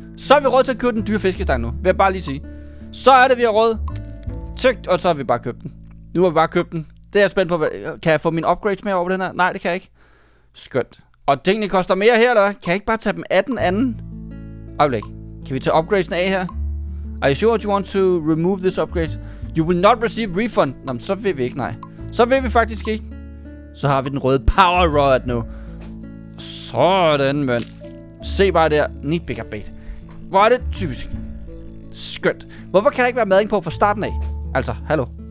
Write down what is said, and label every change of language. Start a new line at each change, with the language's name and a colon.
Danish: Så har vi råd til at købe den dyre fiskestang nu. Vil jeg bare lige sige. Så er det, vi har råd. Tygt, og så har vi bare købt den. Nu har vi bare købt den. Det er jeg spændt på. Kan jeg få min upgrades med over den her? Nej, det kan jeg ikke. Skønt. Og tingene koster mere her, eller? Kan jeg ikke bare tage dem af den anden? Øjeblik. Kan vi tage upgradesen af her?
English: Are you sure you want to remove this upgrade? You will not receive refund.
Danish: Nå, så vil vi ikke, nej. Så vil vi faktisk ikke. Så har vi den røde power rod nu. Sådan, mand. Se bare der. Neat bigger bait. Hvor er det typisk? Skønt. Hvorfor kan der ikke være mading på fra starten af? Altså, hallo.